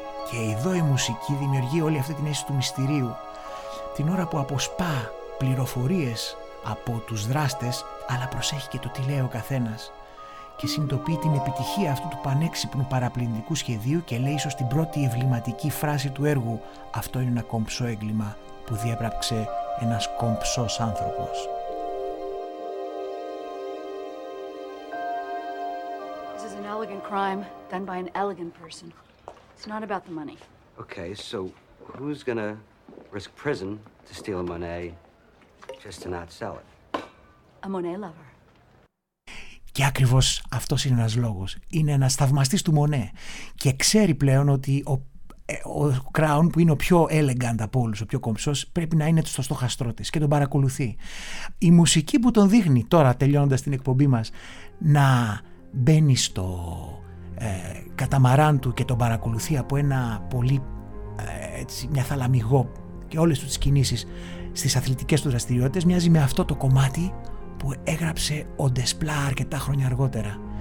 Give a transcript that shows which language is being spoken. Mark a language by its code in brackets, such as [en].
[el] Και εδώ η μουσική δημιουργεί όλη αυτή την αίσθηση του μυστηρίου, την ώρα που αποσπά πληροφορίες από τους δράστες, αλλά προσέχει και το τι λέει ο καθένας και συνειδητοποιεί την επιτυχία αυτού του πανέξυπνου παραπλυντικού σχεδίου και λέει ίσως την πρώτη εμβληματική φράση του έργου: «Αυτό είναι ένα κομψό έγκλημα που διέπραξε ένας κομψός άνθρωπος». [en] This is an elegant crime done by an elegant person. It's not about the money. Okay, so who's gonna risk prison to steal a Monet just to not sell it? A Monet lover. [el] Και ακριβώς αυτός είναι ένας λόγος. Είναι ένας θαυμαστής του Μονέ και ξέρει πλέον ότι ο Crown, που είναι ο πιο elegant από όλους, ο πιο κομψός, πρέπει να είναι στο στόχαστρό της και τον παρακολουθεί. Η μουσική που τον δείχνει τώρα, τελειώνοντας την εκπομπή μας, να μπαίνει στο καταμαράν του και τον παρακολουθεί από ένα πολύ έτσι, μια θαλαμιγό και όλες τις κινήσεις στις αθλητικές του δραστηριότητες, μοιάζει με αυτό το κομμάτι που έγραψε ο Ντεσπλά αρκετά χρόνια αργότερα.